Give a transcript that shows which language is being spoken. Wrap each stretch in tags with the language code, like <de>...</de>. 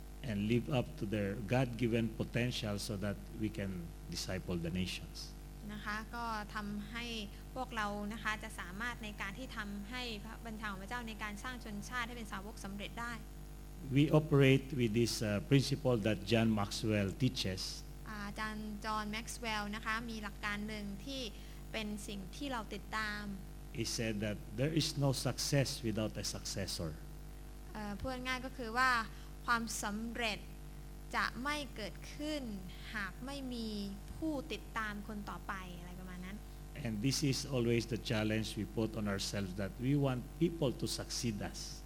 <en>and live up to their God-given potential so that we can disciple the nations</en> <th>นะคะก็ทำให้พวกเรานะคะจะสามารถในการที่ทำให้พระบัญชาของพระเจ้าในการสร้างชนชาติให้เป็นสาวกสำเร็จได้</th> <en>we operate with this principle that John Maxwell teaches</en> <th>อาจารย์จอห์นแม็กซ์เวลล์นะคะมีหลักการหนึ่งที่เป็นสิ่งที่เราติดตาม</th> <en>He said that there is no success without a successor</en> <th>พูดง่ายก็คือว่าความสำเร็จจะไม่เกิดขึ้นหากไม่มีผู้ติดตามคนต่อไปอะไรประมาณนั้น</th> <en>And this is always the challenge we put on ourselves that we want people to succeed us</en>